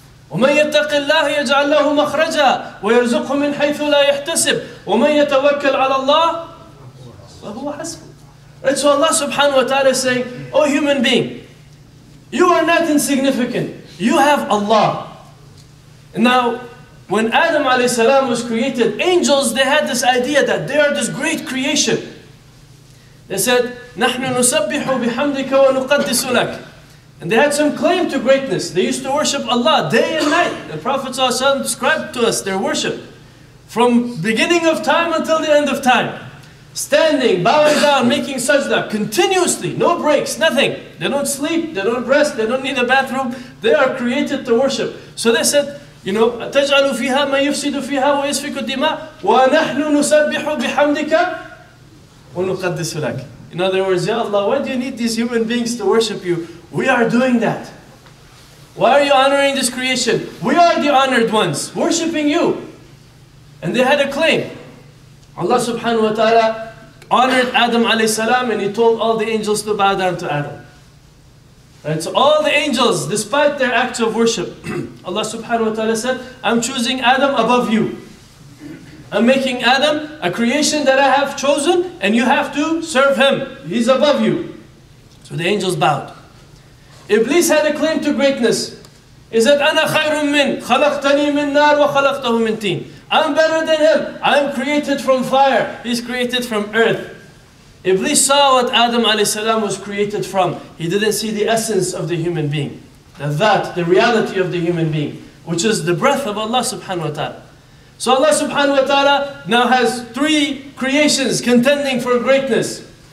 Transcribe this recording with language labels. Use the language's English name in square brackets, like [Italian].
[Arabic] وَمَنْ يَتَّقِ اللَّهِ يَجْعَلْ لَهُ مَخْرَجًا وَيَرْزُقْهُ مِنْ حَيْثُ لَا يَحْتَسِبْ وَمَنْ يَتَوَكَّلْ عَلَى اللَّهِ فَهُوَ حَسْبُ. [English] Right, so Allah subhanahu wa ta'ala is saying, O human being, you are not insignificant. You have Allah. And now, when Adam alayhi salam was created, angels, they had this idea that they are this great creation. They said, [Arabic] نَحْنُ نُسَبِّحُ بِحَمْدِكَ وَنُقَدِّسُ لَكَ. [English] And they had some claim to greatness. They used to worship Allah day and night. The Prophet ﷺ described to us their worship. From beginning of time until the end of time. Standing, bowing down, making sajda, continuously, no breaks, nothing. They don't sleep, they don't rest, they don't need a bathroom. They are created to worship. So they said, you know, [Arabic] تَجْعَلُ فِيهَا مَا يُفْسِدُ فِيهَا وَيَسْفِكُ الدِّمَاءُ وَنَحْنُ نُسَبِّحُ بِحَمْدِكَ وَنُقَدِّسُ لَكَ. [English] In other words, Ya Allah, why do you need these human beings to worship you? We are doing that. Why are you honoring this creation? We are the honored ones, worshiping you. And they had a claim. Allah subhanahu wa ta'ala honored Adam alayhi salam and he told all the angels to bow down to Adam. Right? So all the angels, despite their acts of worship, Allah subhanahu wa ta'ala said, I'm choosing Adam above you. I'm making Adam a creation that I have chosen and you have to serve him. He's above you. So the angels bowed. Iblis had a claim to greatness. He said, [Arabic] أَنَا خَيْرٌ مِّنْ خَلَقْتَنِي مِنْ نَارٍ وَخَلَقْتَهُ مِنْ تِينٍ. [English] I'm better than him. I'm created from fire. He's created from earth. Iblis saw what Adam alayhi salam was created from. He didn't see the essence of the human being. The reality of the human being, which is the breath of Allah subhanahu wa ta'ala. So Allah subhanahu wa ta'ala now has three creations contending for greatness.